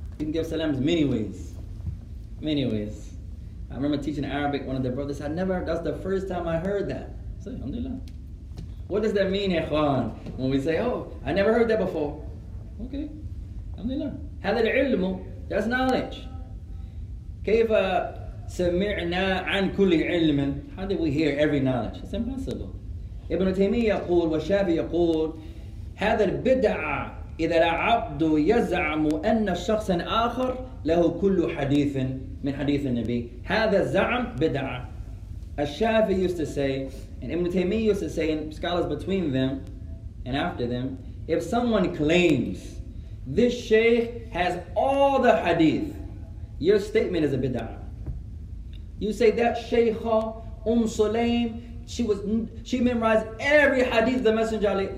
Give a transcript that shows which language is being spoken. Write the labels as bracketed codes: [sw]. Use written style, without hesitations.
[en] You can give salams many ways. Many ways. I remember teaching Arabic, one of the brothers said, that's the first time I heard that. So alhamdulillah. What does that mean, ikhwan? When we say, I never heard that before. Okay. Alhamdulillah. [ar] هذا العلم, [en] that's knowledge. [ar] كيف سمعنا عن كل علم? [en] How did we hear every knowledge? It's impossible. [ar] Ibn Taymiyyah يقول والشافعي يقول هذا البدع إذا العبد يزعم أن الشخص آخر له كل حديث من حديث النبي هذا زعم بدع. [en] الشافعي used to say, and Ibn Taymiyyah used to say, and scholars between them and after them, if someone claims this sheikh has all the hadith, your statement is a bid'ah. You say that sheikha, Sulaim, she memorized every hadith of the Messenger Ali.